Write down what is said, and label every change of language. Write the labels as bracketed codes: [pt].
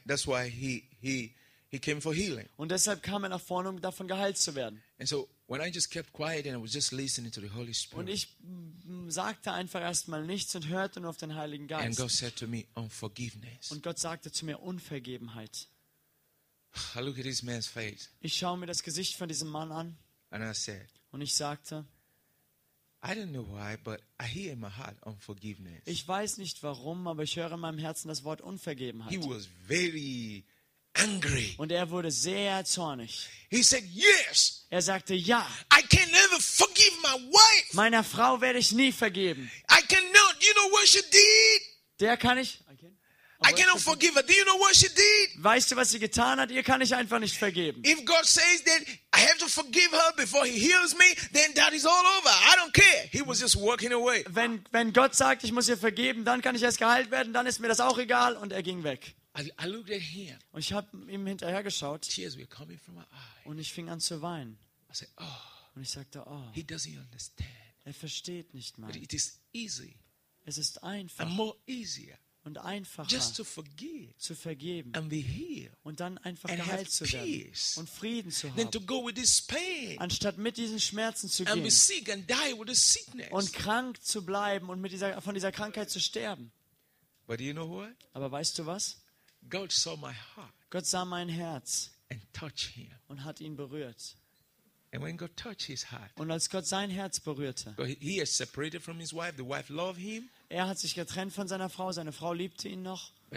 [en] That's why he came for healing. [de] Und deshalb kam er nach vorne, um davon geheilt zu werden. [en] And so when I just kept quiet and I was just listening to the Holy Spirit. [de] Und ich sagte einfach erstmal nichts und hörte nur auf den Heiligen Geist. [en] And God said to me, unforgiveness. [de] Und Gott sagte zu mir, Unvergebenheit. [en] I look at this man's face. [de] Ich schaue mir das Gesicht von diesem Mann an. [en] And I said. [de] Und ich sagte, [en] I don't know why, but I hear in my heart unforgiveness. [de] Ich weiß nicht warum, aber ich höre in meinem Herzen das Wort Unvergebenheit. [en] He was very angry. [de] Und er wurde sehr zornig. [en] He said, yes. [de] Er sagte, ja. [en] I can never forgive my wife. [de] Meiner Frau werde ich nie vergeben. [en] I cannot. You know what she did? [de] Der kann ich. [en] I cannot forgive her. Do you know what she did? [de] Weißt du, was sie getan hat? Ihr kann ich einfach nicht vergeben. [en] If God says that I have to forgive her before he heals me, then that is all over. I don't care. He was just walking away. [de] Wenn Gott sagt, ich muss ihr vergeben, dann kann ich erst geheilt werden, dann ist mir das auch egal, und er ging weg. [en] I looked at him. [de] Und ich habe ihm hinterher geschaut. [en] Tears were coming from my eyes. [de] Und ich fing an zu weinen. [en] I said, oh. [de] Und ich sagte, oh. [en] He doesn't understand. [de] Er versteht nicht mal. [en] It is easy. [de] Es ist einfach. [en] And more easier. [de] Und einfacher [en] just to forgive, [de] zu vergeben [en] and be healed, [de] und dann einfach geheilt zu werden [en] peace, [de] und Frieden zu haben, [en] to go with this pain, [de] anstatt mit diesen Schmerzen zu gehen [en] and be sick and die with the sickness. [de] Und krank zu bleiben und von dieser Krankheit zu sterben. [en] But you know what? [de] Aber weißt du was? [en] God saw my heart, [de] Gott sah mein Herz [en] and touched him. [de] Und hat ihn berührt. [en] And when God touched his heart, [de] und als Gott sein Herz berührte, [en] he is separated from his wife, the wife loved him. [de] Er hat sich getrennt von seiner Frau. Seine Frau liebte ihn noch.